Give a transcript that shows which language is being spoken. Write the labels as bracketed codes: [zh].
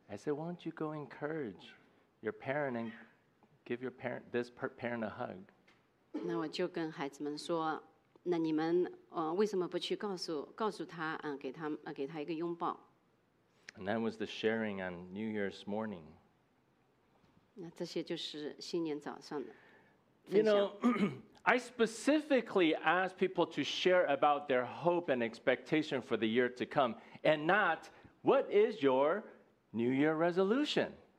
[en] I said, why don't you go encourage your parent and Give your parent this parent a hug. [zh] 那我就跟孩子们说，那你们为什么不去告诉他给他一个拥抱 [en] ？And that was the sharing on New Year's morning. [zh] 那这些就是新年早上的分享。 [en] You know, I specifically ask people to share about their hope and expectation for the year to come, and not what is your New Year resolution.